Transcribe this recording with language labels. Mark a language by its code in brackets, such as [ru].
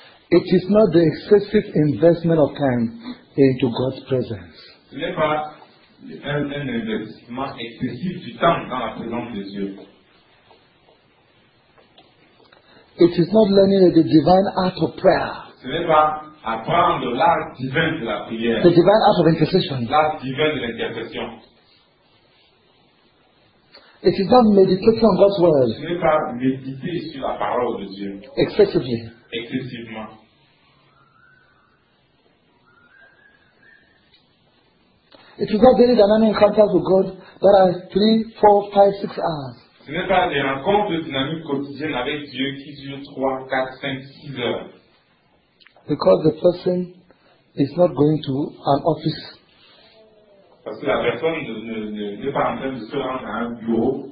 [en] It is not the excessive investment of time into God's presence. [fr] Ce n'est pas un investissement excessif du temps dans la présence de Dieu. [en] It is not learning the divine art of prayer. [fr] Ce n'est pas apprendre l'art divin de la prière. [en] The divine art of intercession. [fr] L'art divin de l'intercession. [en] It is not meditating on God's word. [fr] Ce n'est pas méditer sur la parole de Dieu. Excessivement. [en] It is not daily dynamic encounters with God that are 3, 4, 5, 6 hours. [fr] Ce n'est pas des rencontres dynamiques quotidiennes avec Dieu qui durent 3, 4, 5, 6 heures. [en] Because the person is not going to an office. [fr] Parce que la personne n'est pas en train de se rendre à un bureau.